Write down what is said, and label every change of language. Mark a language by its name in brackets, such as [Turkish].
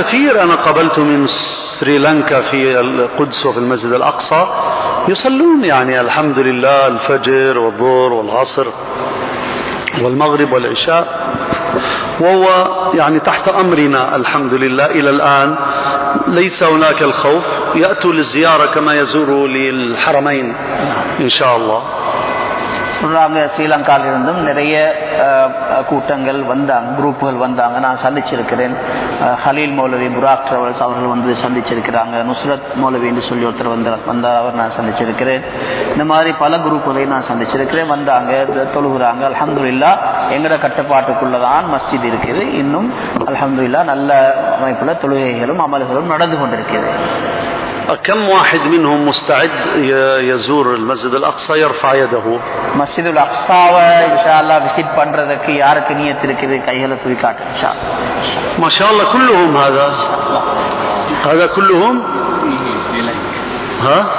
[Arabic] كثير أنا قابلت من سريلانكا في القدس وفي المسجد الأقصى يصلون يعني الحمد لله الفجر والظهر والعصر والمغرب والعشاء، وهو يعني تحت أمرنا الحمد لله. إلى الآن ليس هناك الخوف، يأتوا للزيارة كما يزوروا للحرمين إن شاء الله. [Tamil] சொல்றாங்க ஸ்ரீலங்காவிலிருந்தும் நிறைய கூட்டங்கள் வந்தாங்க, குரூப்புகள் வந்தாங்க, நான் சந்திச்சிருக்கிறேன். ஹலீல் மௌலவி புராக் டிராவல்ஸ் அவர்கள் வந்து சந்திச்சிருக்கிறாங்க, நுஸ்ரத் மௌலவி என்று சொல்லி ஒருத்தர் வந்தார் அவர் நான் சந்திச்சிருக்கிறேன். இந்த மாதிரி பல குரூப்புகளையும் நான் சந்திச்சிருக்கிறேன். வந்தாங்க தொழுகிறாங்க, அல்ஹம்துலில்லா எங்களோட கட்டுப்பாட்டுக்குள்ளதான் மஸ்ஜித் இருக்குது, இன்னும் அல்ஹம்துலில்லா நல்ல அமைப்பில் தொழுகைகளும் அமல்களும் நடந்து கொண்டிருக்கிறது. [Arabic] كم واحد منهم مستعد يزور المسجد الاقصى يرفع يده؟ [Tamil] مسجد الاقصى ان شاء الله بيسيت பண்றதுக்கு யாருக்கு நியத்து இருக்குது கையில தூக்கி காட்டு ان شاء الله. [Arabic] ما شاء الله كلهم هذا هذا كلهم ها